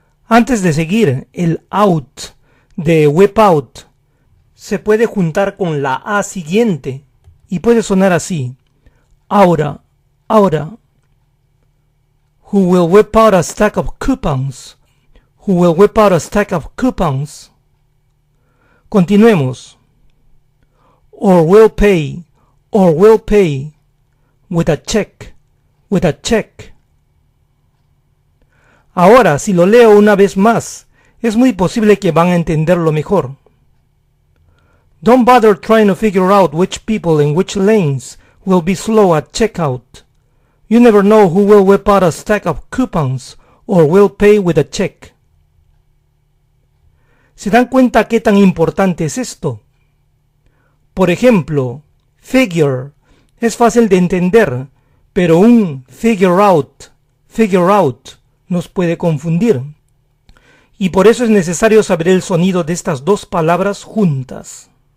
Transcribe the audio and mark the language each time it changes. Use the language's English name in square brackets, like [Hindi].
[Spanish] Antes de seguir, el out de whip out se puede juntar con la A siguiente y puede sonar así. Ahora, ahora. [English] Who will whip out a stack of coupons? Who will whip out a stack of coupons? [Spanish] Continuemos. [English] Or will pay, with a check. [Spanish] Ahora, si lo leo una vez más, es muy posible que van a entenderlo mejor. [English] Don't bother trying to figure out which people in which lanes will be slow at checkout. You never know who will whip out a stack of coupons or will pay with a check. [Spanish] ¿Se dan cuenta qué tan importante es esto? Por ejemplo, figure es fácil de entender, pero un figure out nos puede confundir. Y por eso es necesario saber el sonido de estas dos palabras juntas.